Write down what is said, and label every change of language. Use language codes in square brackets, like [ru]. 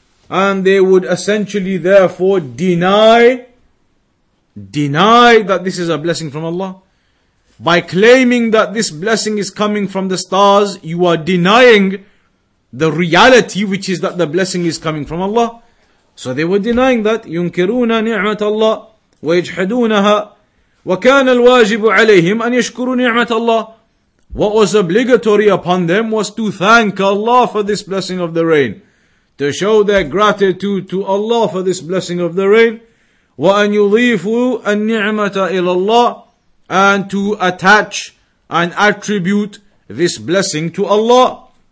[en] And they would essentially therefore deny that this is a blessing from Allah. By claiming that this blessing is coming from the stars, you are denying the reality, which is that the blessing is coming from Allah. So they were denying that. [ar] يُنْكِرُونَ نِعْمَةَ اللَّهِ وَيَجْحَدُونَهَا. وكان الواجب عليهم أن يشكروا نعمة الله. [en] What was obligatory upon them was to thank Allah for this blessing of the rain, to show their gratitude to Allah for this blessing of the rain. [ar] وأن يضيفوا النعمة إلى الله, [en] and to attach and attribute this blessing to Allah.